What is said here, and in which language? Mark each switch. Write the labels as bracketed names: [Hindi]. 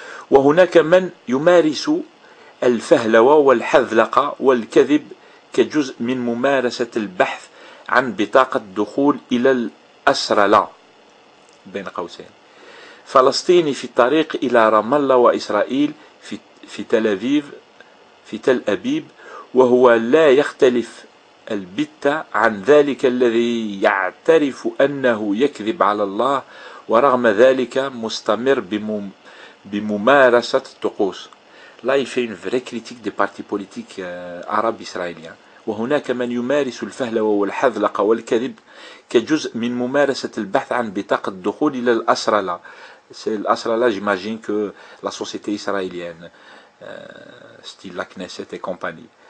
[Arabic] وهناك من يمارس الفهلوة والحذلقة والكذب كجزء من ممارسة البحث عن بطاقة الدخول إلى الأسرلة بين قوسين، فلسطيني في الطريق إلى رام الله وإسرائيل في تل أبيب، وهو لا يختلف البتة عن ذلك الذي يعترف أنه يكذب على الله، ورغم ذلك مستمر بممارسة الطقوس. لا يفي [French] une vraie critique des partis politiques arabes israéliens. [Arabic] وهناك من يمارس الفهلوة والحذلقة والكذب كجزء من ممارسة البحث عن بطاقة الدخول إلى الأسرلة. [French] C'est l'Asrala, j'imagine que la société israélienne, style la Knesset et compagnie.